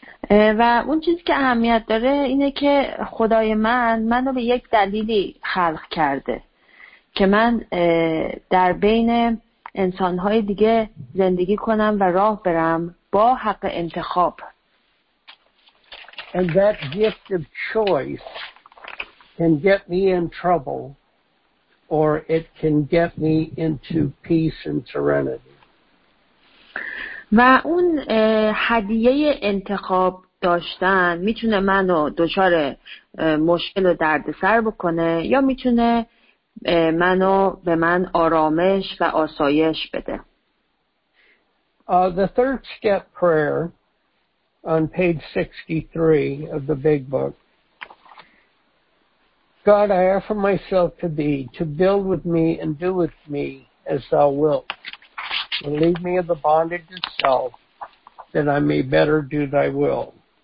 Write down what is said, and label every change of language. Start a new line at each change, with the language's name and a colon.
Persian: و اون چیزی که اهمیت داره اینه که خدای منو به یک دلیلی خلق کرده که من در بین انسان‌های دیگه زندگی کنم و راه برم با حق انتخاب.
English: And that gift of choice can get me in trouble or it can get me into peace and serenity.
Persian: و اون هدیه انتخاب داشتن میتونه منو دچار مشکل و دردسر بکنه یا میتونه منو به من آرامش و آسایش بده.
English: The third step prayer on page 63 of the big book. God, I offer myself to thee to build with me and do with me as thou wilt. Relieve me of the bondage of self that I may better do thy will.